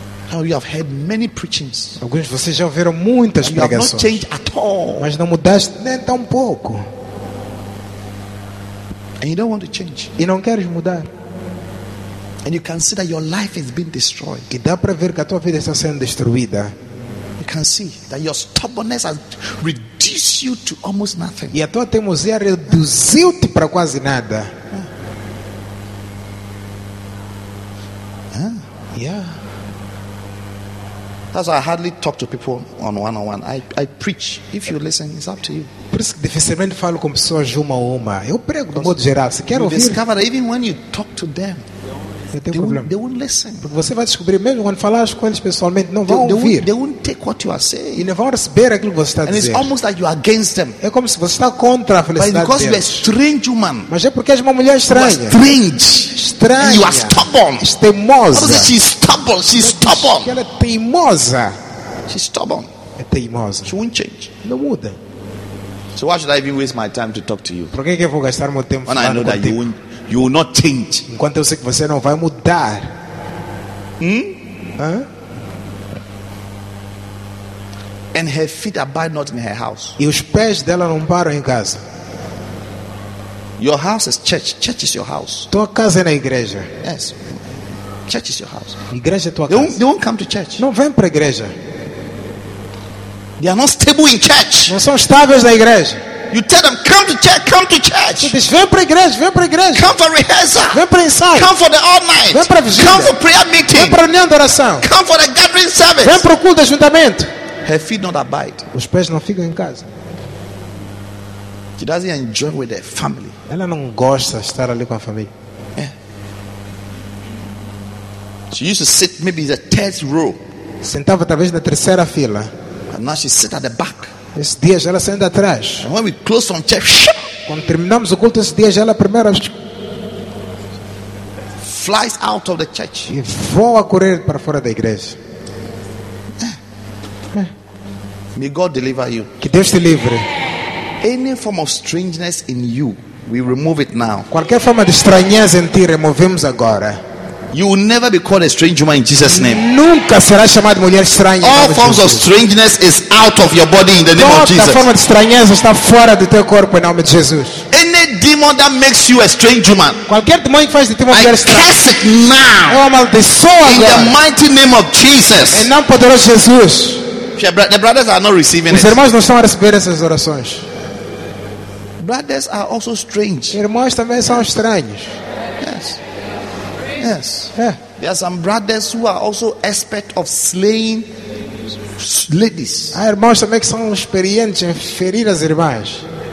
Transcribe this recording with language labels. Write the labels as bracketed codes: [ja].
[en] Now you have heard many preachings. [pt] Alguns de vocês já ouviram muitas pregações. [en] You have not changed at all. [pt] Mas não mudaste nem tão pouco. [en] And you don't want to change. [pt] E não queres mudar. [en] And you can see that your life has been destroyed. [pt] E dá para ver que a tua vida está sendo destruída. [en] You can see that your stubbornness has reduced you to almost nothing. [pt] E a tua teimosia reduziu-te para quase nada. [en] Yeah. That's why I hardly talk to people on one-on-one. I preach. If you listen, it's up to you. [pt] Por isso que dificilmente falo com pessoas uma a uma. Eu prego de modo geral. Se quer ouvir, [en] discover that even when you talk to them, they won't listen. [pt] Porque você vai descobrir mesmo quando falas com eles pessoalmente, não vão ouvir. [en] They won't take what you are saying. [pt] E não vão receber aquilo que você está [en] and [pt] dizendo. [en] And it's almost like you are against them. [pt] É como se você está contra a felicidade deles. [en] But because you are a strange woman. [pt] Mas é porque és uma mulher estranha. [en] You are strange. [pt] Estranha. [en] And you are stubborn. [pt] Teimosa. [en] What does it mean? She's stubborn. She's stubborn. [pt] Ela é teimosa. [en] She's stubborn. [pt] É teimosa. [en] She won't change. [pt] Não muda. [en] So why should I even waste my time to talk to you? [pt] Por que eu vou gastar meu tempo falando contigo? [en] And I know that you will not change. [pt] Enquanto eu sei que você não vai mudar. [en] And her feet abide not in her house. [pt] E os pés dela não param em casa. [en] Your house is church. Church is your house. [pt] Tua casa é na igreja. [en] Yes. Church is your house. [pt] Igreja é tua [en] they [pt] casa. [en] They won't come to church. [pt] Não vêm para a igreja. [en] They are not stable in church. [pt] Não são estáveis na igreja. [en] You tell them, come to church, come to church. [pt] Diz, vem para a igreja, vem para a igreja. [en] Come for rehearsal. [pt] Vem para ensaio. [en] Come for the all night. [pt] Vem para a vigília. [en] Come for prayer meeting. [pt] Vem para a reunião de oração. [en] Come for the gathering service. [pt] Vem para o culto de ajuntamento. [en] Her feet not abide. [pt] Os pés não ficam em casa. [en] She doesn't enjoy with her family. [pt] Ela não gosta de estar ali com a família. [en] Yeah. She used to sit maybe in the third row. [pt] Sentava talvez na terceira fila. [en] And now she sits at the back. [pt] Esses dias ela senta atrás. [en] And when we close on church, [pt] quando terminamos o culto, esses dias ela primeira [en] flies out of the church. [pt] E voa a correr para fora da igreja. [en] May God deliver you. [pt] Que Deus te livre. [en] Any form of strangeness in you, we remove it now. [pt] Qualquer forma de estranheza em ti, removemos agora. [en] You will never be called a strange woman in Jesus' name. [pt] Nunca será chamada mulher estranha. [en] All forms of strangeness is out of your body in the name of Jesus. [pt] Toda forma de estranheza está fora do teu corpo em nome de Jesus. [en] Any demon that makes you a strange woman, [pt] qualquer demônio que faz de ti uma mulher estranha, [en] I curse it now. [pt] Eu amaldiçoo agora. [en] In the mighty name of Jesus. [pt] Em nome poderoso de Jesus. [en] The brothers are not receiving it. [pt] Os irmãos não estão a receber essas orações. [en] Brothers are also strange. [pt] Irmãos também são estranhos. [en] Yes. Yes. There are some brothers who are also expert of slaying ladies. [pt] Há irmãos também que são experientes em ferir as irmãs.